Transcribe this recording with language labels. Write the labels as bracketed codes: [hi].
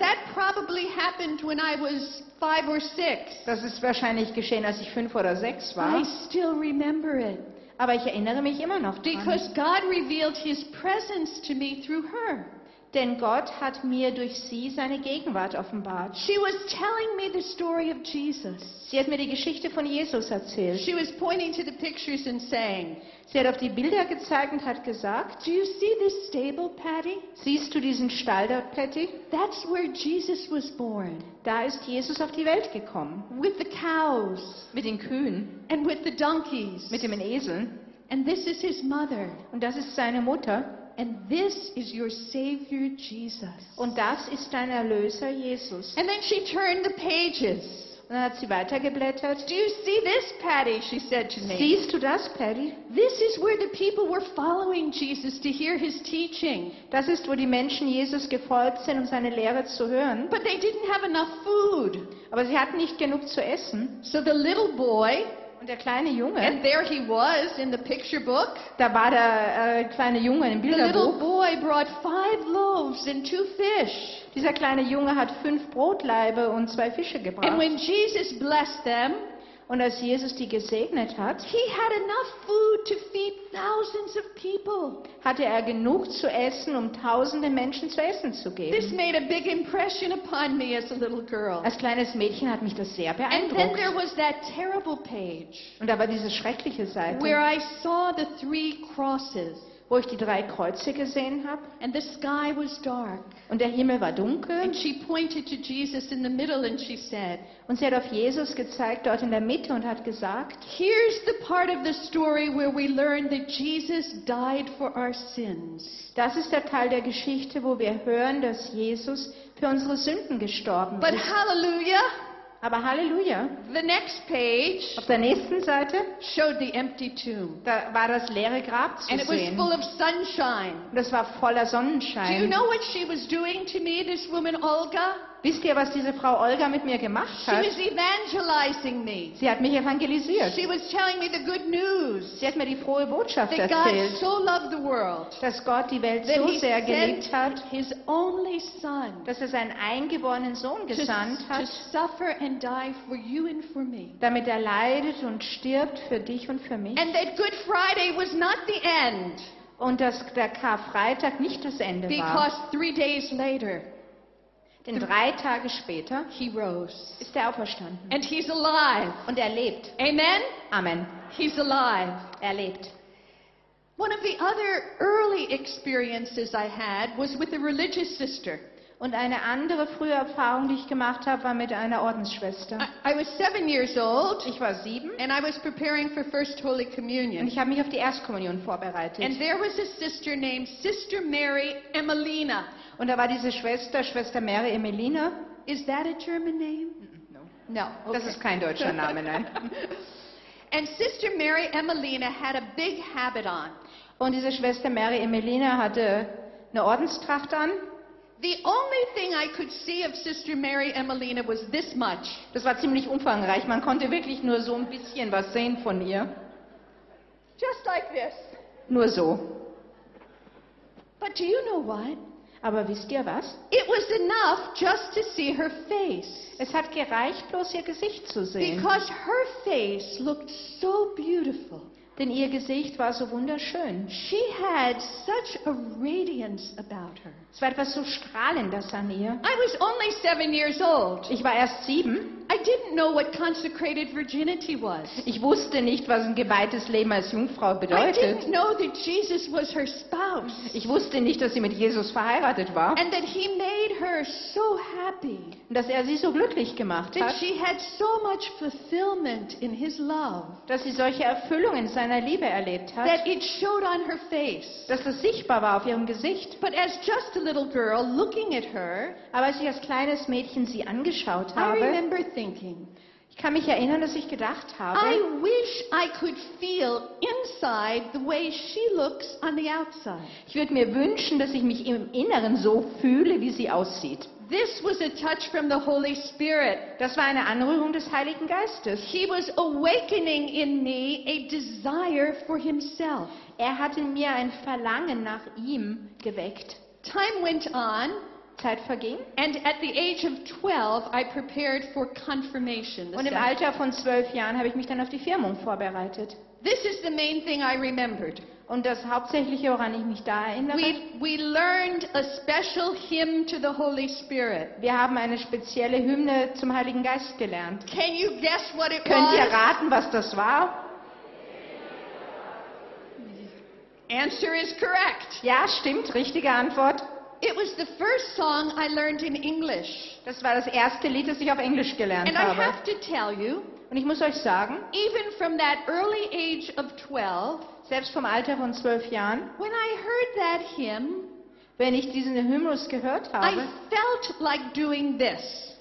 [en] That probably happened when I was 5 or 6. [de] Das ist wahrscheinlich geschehen, als ich 5 oder 6 war. [en] I still remember it. [de] Aber ich erinnere mich immer noch [en] because [de] dran. [en] God revealed his presence to me through her. [de] Denn Gott hat mir durch sie seine Gegenwart offenbart. [en] She was telling me the story of Jesus. [de] Sie hat mir die Geschichte von Jesus erzählt. [en] She was pointing to the pictures and saying, [de] sie hat auf die Bilder gezeigt und hat gesagt, [en] do you see this stable, Patty? [de] Siehst du diesen Stall da, Patty? [en] That's where Jesus was born. [de] Da ist Jesus auf die Welt gekommen. [en] With the cows. [de] Mit den Kühen. [en] And with the donkeys. [de] Mit den Eseln. [en] And this is his mother. [de] Und das ist seine Mutter. [en] And this is your Savior Jesus. [de] Und das ist dein Erlöser Jesus. [en] And then she turned the pages. [de] Und dann hat sie weitergeblättert. [en] Do you see this, Patty? She said to me. [de] Siehst du das, Patty? [en] This is where the people were following Jesus to hear his teaching. [de] Das ist, wo die Menschen Jesus gefolgt sind, um seine Lehre zu hören. [en] But they didn't have enough food. [de] Aber sie hatten nicht genug zu essen. [en] So the little boy. [de] Und der kleine Junge. [en] And there he was in the picture book. [de] Da war der kleine Junge im Bilderbuch. [en] The little boy brought 5 loaves and 2 fish. [de] Dieser kleine Junge hat 5 Brotlaibe und 2 Fische gebracht. [en] And when Jesus blessed them, [de] und als Jesus die gesegnet hat, [en] he had enough food to feed thousands of people. [de] Hatte er genug zu essen, um tausende Menschen zu essen zu geben. [en] This made a big impression upon me as a little girl. [de] Als kleines Mädchen hat mich das sehr beeindruckt. [en] And then there was that terrible page. [de] Und da war diese schreckliche Seite, [en] where I saw the 3 crosses. [de] Wo ich die 3 Kreuze gesehen habe. [en] And the sky was dark. [de] Und der Himmel war dunkel. [en] And she pointed to Jesus in the middle and she said, [de] und sie hat auf Jesus gezeigt dort in der Mitte und hat gesagt, [en] here's the part of the story where we learn that Jesus died for our sins. [de] Das ist der Teil der Geschichte, wo wir hören, dass Jesus für unsere Sünden gestorben ist. [en] But hallelujah. [de] Aber Halleluja. [en] The next page, [de] auf der nächsten Seite, [en] showed the empty tomb. [de] Da war das leere Grab zu [en] and [de] sehen. [en] And it was full of sunshine. [de] Das war voller Sonnenschein. [en] Do you know what she was doing to me, this woman Olga? [de] Wisst ihr, was diese Frau Olga mit mir gemacht hat? [en] She was evangelizing me. [de] Sie hat mich evangelisiert. [en] She was telling me the good news. [de] Sie hat mir die frohe Botschaft [en] that [de] erzählt. [en] God so loved the world, [de] dass Gott die Welt so sehr geliebt hat, [en] his only son, [de] dass er seinen eingeborenen Sohn gesandt hat, [en] to suffer and die for you and for me. [de] Damit er leidet und stirbt für dich und für mich. [en] And that Good Friday was not the end. [de] Und dass der Karfreitag nicht das Ende war. [en] Because 3 days later, [de] denn 3 Tage später, [en] he rose, [de] ist er auferstanden. [en] And he's alive. [de] Und er lebt. [en] Amen. [de] Amen. [en] He's alive. [de] Er lebt. [en] One of the other early experiences I had was with a religious sister. [de] Und eine andere frühe Erfahrung, die ich gemacht habe, war mit einer Ordensschwester. [en] I was 7 years old. [de] Ich war 7. [en] And I was preparing for First Holy Communion. [de] Und ich habe mich auf die Erstkommunion vorbereitet. [en] And there was a sister named Sister Mary Emmelina. [de] Und da war diese Schwester, Schwester Mary Emmelina. [en] Is that a German name? No. No. [de] Okay. Das ist kein deutscher Name, nein. [en] And Sister Mary Emmelina had a big habit on. [de] Und diese Schwester Mary Emmelina hatte eine Ordenstracht an. [en] The only thing I could see of Sister Mary Emmelina was this much. [de] Das war ziemlich umfangreich. Man konnte wirklich nur so ein bisschen was sehen von ihr. [en] Just like this. [de] Nur so. [en] But do you know what? [de] Aber wisst ihr was? [en] It was enough just to see her face. [de] Es hat gereicht, bloß ihr Gesicht zu sehen. [en] Because her face looked so beautiful. [de] Denn ihr Gesicht war so wunderschön. [en] She had such a radiance about her. [de] Es war etwas so Strahlendes an ihr. [en] I was only 7 years old. [de] Ich war erst 7. [en] I didn't know what consecrated virginity was. [de] Ich wusste nicht, was ein geweihtes Leben als Jungfrau bedeutet. [en] I didn't know that Jesus was her spouse. [de] Ich wusste nicht, dass sie mit Jesus verheiratet war. [en] And that he made her so happy. [de] Und dass er sie so glücklich gemacht [en] that [de] hat. [en] She had so much fulfillment in his love. [de] Dass sie solche Erfüllung in seiner Liebe erlebt hat. [en] That it showed on her face. [de] Dass es sichtbar war auf ihrem Gesicht. [en] But as just a little girl looking at her, [de] aber als ich als kleines Mädchen sie angeschaut habe, [en] I remember thinking, [de] ich kann mich erinnern, dass ich gedacht habe, [en] I wish I could feel inside the way she looks on the outside. [de] Ich würde mir wünschen, dass ich mich im Inneren so fühle, wie sie aussieht. [en] This was a touch from the Holy Spirit. [de] Das war eine Anrührung des Heiligen Geistes. [en] He was awakening in me a desire for himself. [de] Er hat in mir ein Verlangen nach ihm geweckt. [en] Time went on. [de] Zeit verging. [en] And at the age of 12, I prepared for confirmation. [de] Und im Alter von 12 Jahren habe ich mich dann auf die Firmung vorbereitet. [en] This is the main thing I remembered. [de] Und das Hauptsächliche, woran ich mich da erinnere. [en] We learned a special hymn to the Holy Spirit. [de] Wir haben eine spezielle Hymne zum Heiligen Geist gelernt. [en] Can you guess what it [de] Könnt [en] was? [de] Ihr raten, was das war? [en] Answer is correct. [de] Ja, stimmt, richtige Antwort. [en] It was the first song I learned in English. [de] Das war das erste Lied, das ich auf Englisch gelernt [en] And [de] habe. [en] I have to tell you, [de] Und ich muss euch sagen, [en] even from that early age of 12, [de] selbst vom Alter von 12 Jahren, [en] when I heard that hymn, [de] wenn ich diesen Hymnus gehört habe, [en] I felt like doing this.